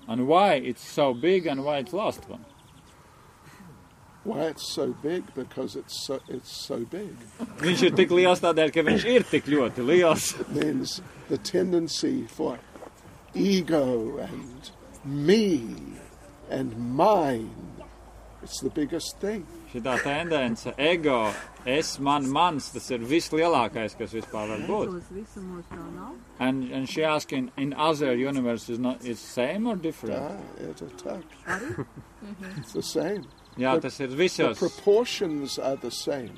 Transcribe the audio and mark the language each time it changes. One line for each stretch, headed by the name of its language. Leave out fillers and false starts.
English: And why it's so big and why it's last one? Why it's so big? Because it's so big.
Latvian: Viņš ir tik liels tādēļ, ka viņš ir tik ļoti liels.
English: Means the tendency for ego and me and mine. It's the biggest thing.
Latvian: Šitā tendence, ego, es, man, mans, tas ir vislielākais, kas vispār var būt.
English: And she asking, in other universe, is not it's same or different? Yeah, it's a tuck. It's the same.
Latvian: Jā, tas ir visos.
English: The proportions are the same.